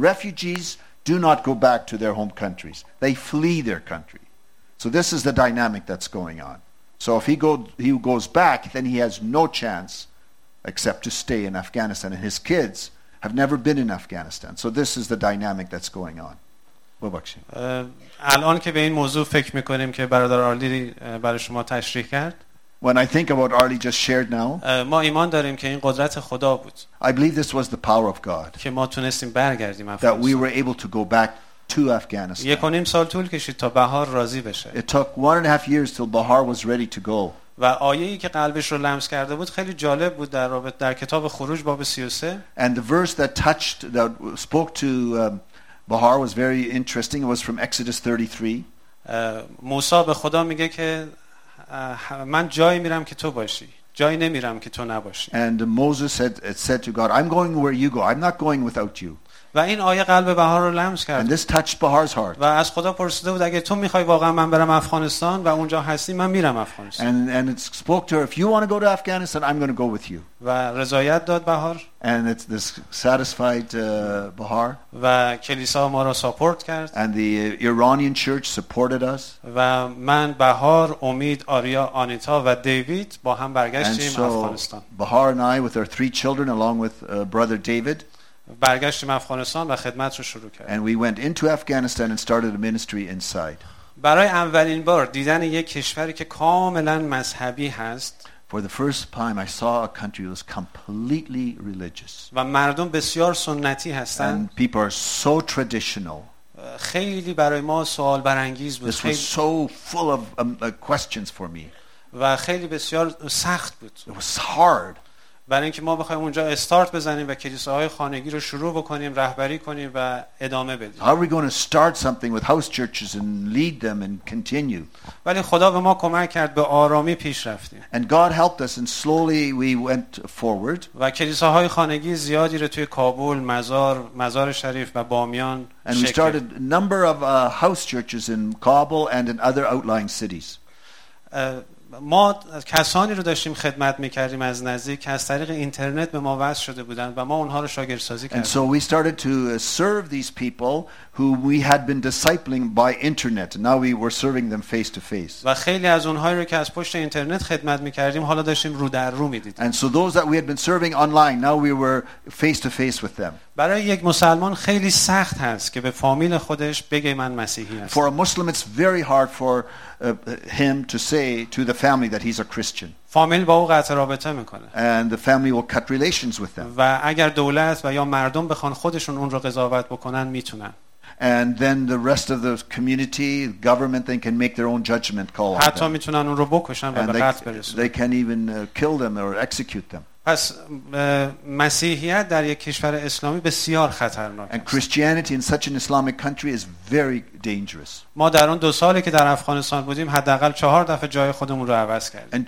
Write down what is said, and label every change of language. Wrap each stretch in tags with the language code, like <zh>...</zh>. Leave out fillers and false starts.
<en>Refugees do not go back to their home countries. They flee their country. So this is the dynamic that's going on. So if he goes back, then he has no chance except to stay in Afghanistan. And his kids have never been in Afghanistan. So this is the dynamic that's going on.</en> <fa>ببخشید. الان که به این موضوع فکر می‌کنیم که برادر آرلی برای شما تشریح کرد.</fa> <en>When I think about what Arlie just shared now.</en> <fa>ما ایمان داریم که این قدرت خدا بود.</fa> <en>I believe this was the power of God.</en> <fa>که ما تونستیم برگردیم افغانستان.</fa> <en>That we were able to go back to Afghanistan.</en> <fa>یک و نیم سال طول کشید تا بهار راضی بشه.</fa> <en>It took 1.5 years till Bahar was ready to go.</en> <fa>و آیه‌ای که قلبش رو لمس کرده بود خیلی جالب بود در رابطه در کتاب خروج باب 33.</fa> <en>And the verse that touched that spoke to Bahar was very interesting. It was from Exodus 33.</en> <fa>موسی به خدا میگه که من جایی میرم که تو باشی. جایی نمیرم که تو نباشی.</fa> <en>And Moses said to God, I'm going where you go. I'm not going without you.</en> <fa>و این آیه قلب بهار رو لمس کرد.</fa> <en>And this touched Bahar's heart.</en> <fa>و از خدا پرسیده بود اگه تو میخوای واقعا من برم افغانستان و اونجا هستی من میرم افغانستان.</fa> <en>And it spoke to her, if you want to go to Afghanistan, I'm going to go with you.</en> <fa>و رضایت داد بهار.</fa> <en>And it's this satisfied Bahar.</en> <fa>و کلیسا ما رو ساپورت کرد.</fa> <en>And the Iranian church supported us.</en> <fa>و من بهار، امید، آریا، آنیتا و دیوید با هم برگشتیم افغانستان.</fa> <en>Bahar and I with our three children along with brother David.</en> <fa>برگشتیم افغانستان و خدمت رو شروع کردیم.</fa> <en>And we went into Afghanistan and started a ministry inside.</en> <fa>برای اولین بار دیدن یک کشوری که کاملا مذهبی هست.</fa> <en>For the first time I saw a country that was completely religious.</en> <fa>و مردم بسیار سنتی هستند.</fa> <en>And people are so traditional.</en> <fa>خیلی برای ما سوال برانگیز بود.</fa> <en>This was so full of questions for me.</en> <fa>و خیلی بسیار سخت بود.</fa> <en>It was hard.</en> <fa>برای اینکه ما بخوایم اونجا استارت بزنیم و کلیساهای خانگی رو شروع بکنیم، رهبری کنیم و ادامه بدیم.</fa> <en>How are we going to start something with house churches and lead them and continue?</en> <fa>ولی خدا به ما کمک کرد، به آرامی پیش رفتیم.</fa> <en>And God helped us and slowly we went forward.</en> <fa>و کلیساهای خانگی زیادی رو توی کابل، مزار شریف و بامیان</fa> <en>And we started a number of house churches in Kabul and in other outlying cities.</en> <fa>ما کسانی رو داشتیم خدمت میکردیم از نزدیک که از طریق اینترنت به ما وصل شده بودن و ما اونها رو شاگردسازی کردیم.</fa> <en>And so we started to serve these people who we had been discipling by internet. Now we were serving them face to face.</en> <fa>و خیلی از اونهایی رو که از پشت اینترنت خدمت میکردیم حالا داشتیم رو در رو میدیدیم.</fa> <en>And so those that we had been serving online, now we were face to face with them.</en> <fa>برای یک مسلمان خیلی سخت هست که به فامیل خودش بگه من مسیحی هستم.</fa> <en>For a Muslim it's very hard for him to say to the family that he's a Christian.</en> <fa>فامیل با او قطع رابطه میکنه.</fa> <en>And the family will cut relations with them.</en> <fa>و اگر دولت و یا مردم بخوان خودشون اون رو قضاوت بکنن میتونن.</fa> <en>And then the rest of the community, the government, they can make their own judgment call.</en> <fa>حتی میتونن اون رو بکشن و به قتل برسونن.</fa> <en>They can even kill them or execute them.</en> <fa>پس مسیحیت در یک کشور اسلامی بسیار خطرناک.</fa> <en>And Christianity in such an Islamic country is very dangerous.</en> <fa>ما در اون دو سالی که در افغانستان بودیم حداقل 4 دفعه جای خودمون رو عوض کردیم.</fa>